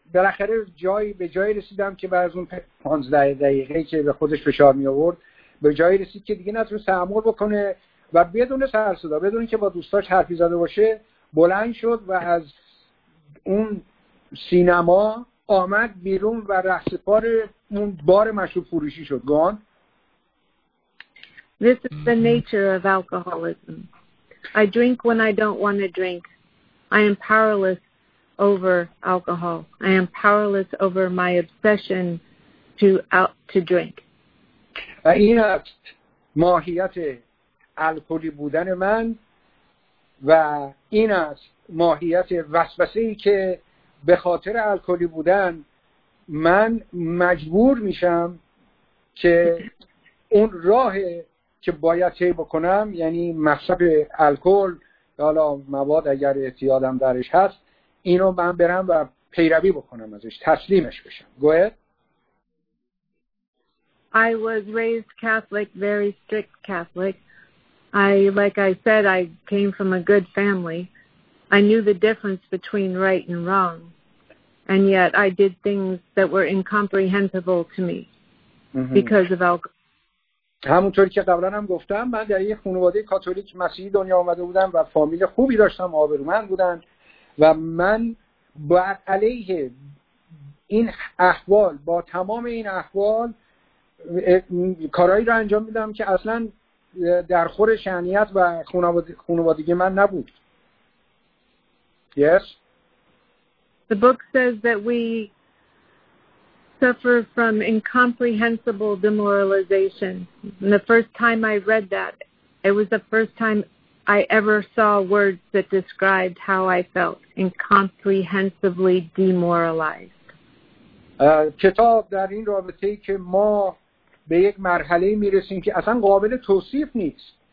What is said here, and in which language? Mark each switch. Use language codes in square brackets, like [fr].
[fa] بالاخره جایی به جایی رسیدم که بعد از اون 15 دقیقه که به خودش فشار می آورد به جایی رسید که دیگه نتونه تحمل بکنه و بدون سر صدا بدون اینکه با دوستاش حرفی زده باشه بلند شد و از اون سینما آمد بیرون و رهسپار اون بار مشروب فروشی شد. [en] گان This is the nature of alcoholism. I drink when I don't want to drink. I am powerless over alcohol. I am powerless over my obsession to drink. [fa] این است ماهیت الکلی بودن من و این است ماهیت وسوسه‌ای که به خاطر الکلی بودن من مجبور میشم که اون راه که باید طی بکنم یعنی مصرف الکل حالا مواد اگر اعتیادم درش هست اینو من برم و پیروی بکنم ازش تسلیمش بشم. [en] Go ahead. I was raised Catholic, very strict Catholic. Like I said, I came from a good family. I knew the difference between right and wrong. And yet I did things that were incomprehensible to me because of alcohol. [fa] همونطوری که قبلا هم گفتم من در یک خانواده کاتولیک مسیحی دنیا آمده بودم و فامیل خوبی داشتم آبرومند بودن و من بر علیه این احوال با تمام این احوال کارهایی رو انجام میدم که اصلا در خور شأنیت و خانوادگی من نبود. [en] Yes. The book says that we suffer from incomprehensible demoralization. And the first time I read that, it was the first time I ever saw words that described how I felt, incomprehensibly demoralized. [fa] کتاب در این رابطه ای که ما به یک مرحله می رسیم که اصلا قابل توصیف نیست.